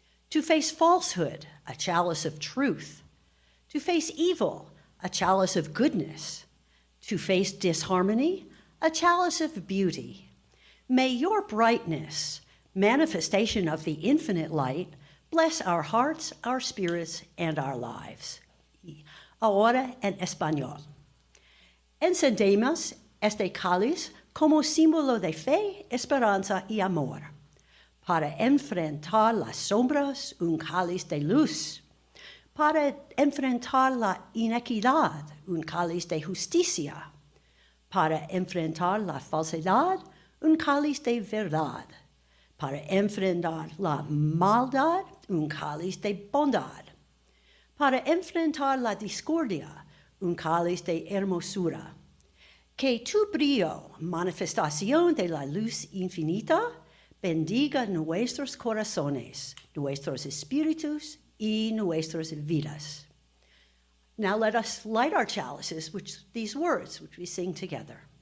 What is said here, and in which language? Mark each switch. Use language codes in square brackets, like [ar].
[en] To face falsehood, a chalice of truth. To face evil, a chalice of goodness. To face disharmony, a chalice of beauty. May your brightness, manifestation of the infinite light, bless our hearts, our spirits, and our lives. [es] Ahora en español. Encendemos este cáliz como símbolo de fe, esperanza y amor. Para enfrentar las sombras, un cáliz de luz. Para enfrentar la inequidad, un cáliz de justicia. Para enfrentar la falsedad, un cáliz de verdad. Para enfrentar la maldad, un cáliz de bondad. Para enfrentar la discordia, un cáliz de hermosura. Que tu brillo, manifestación de la luz infinita, bendiga nuestros corazones, nuestros espíritus, y nuestras vidas. [en] Now let us light our chalices with these words, which we sing together.